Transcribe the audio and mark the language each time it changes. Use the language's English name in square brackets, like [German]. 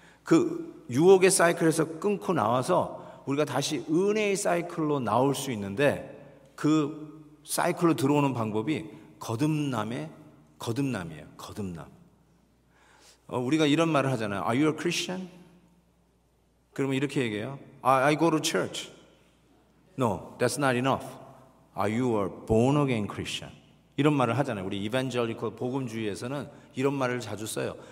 [Korean] 그 유혹의 사이클에서 끊고 나와서 우리가 다시 은혜의 사이클로 나올 수 있는데 그 사이클로 들어오는 방법이 거듭남의 거듭남이에요. 거듭남. 우리가 이런 말을 하잖아요. [English] Are you a Christian? [Korean] 그러면 이렇게 얘기해요. [English] I go to church. No, that's not enough. Are you a born again Christian? [Korean] 이런 말을 하잖아요. 우리 evangelical 복음주의에서는 이런 말을 자주 써요.